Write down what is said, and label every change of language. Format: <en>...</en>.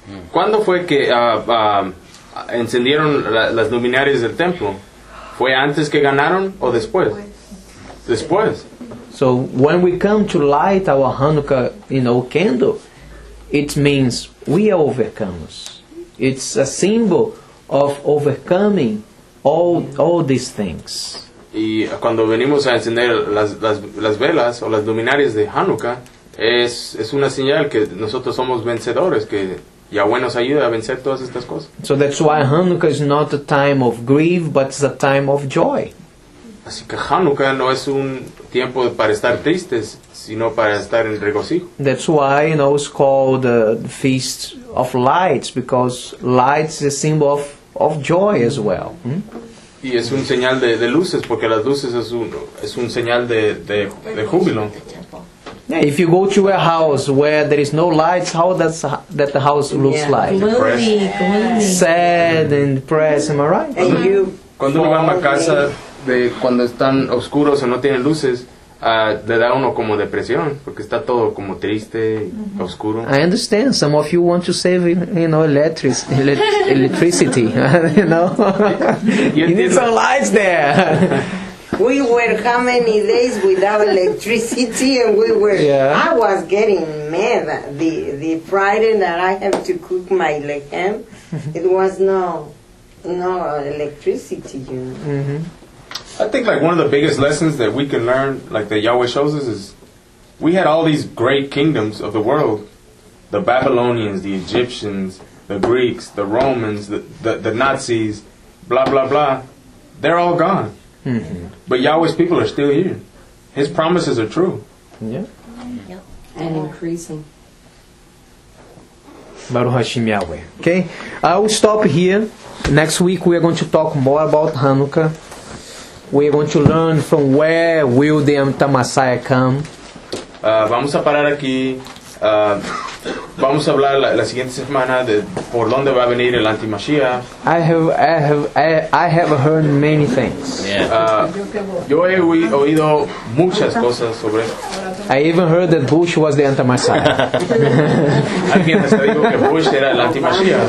<es>¿Cuándo fue que encendieron las luminarias del templo? ¿Fue antes que ganaron o después? Después.</es> <en>So when we come to light our Hanukkah, you know, candle, it means we are overcomers. It's a symbol of overcoming all these things.</en> <es>Y cuando venimos a encender las velas o las luminarias de Hanukkah, es una señal que nosotros somos vencedores, que Yahweh nos ayuda a vencer todas estas cosas.</es> <en>So that's why Hanukkah is not a time of grief, but it's a time of joy.</en> <es>Así que Hanukkah no es un tiempo para estar tristes, sino para estar en regocijo.</es> <en>That's why, you know, it's called the Feast of Lights, because light is a symbol of joy as well.</en> <es>Y es un señal de luces, porque las luces es un señal de júbilo.</es> <en>Yeah, if you go to a house where there is no lights, how does that the house looks like? Gloomy, sad and depressed, am I right?</en> <es>Cuando uno va a una casa de cuando están oscuros o no tienen luces, le da uno como depresión, porque está todo como triste, oscuro.</es> <en>I understand. Some of you want to save, you know, electricity, you know. You need some lights there. We were how many days without electricity, and we were. Yeah. I was getting mad the Friday that I have to cook my lechem. It was no electricity, you know. Mm-hmm. I think like one of the biggest lessons that we can learn, like that Yahweh shows us, is we had all these great kingdoms of the world, the Babylonians, the Egyptians, the Greeks, the Romans, the Nazis, blah blah blah. They're all gone. Mm-hmm. But Yahweh's people are still here. His promises are true. Yeah. And increasing. Baruch Hashem Yahweh. Okay. I will stop here. Next week we are going to talk more about Hanukkah. We are going to learn from where will the Amitah Messiah come.</en> <es>Vamos a parar aquí. Vamos a hablar la siguiente semana de por dónde va a venir el anti-Mashiach.</es> <en>I have heard many things.</en> <es>Yeah. Yo he oído muchas cosas sobre esto.</es> <en>I even heard that Bush was the anti-Mashiach.</en> <es>Alguien está diciendo que Bush era el anti-Mashiach.</es>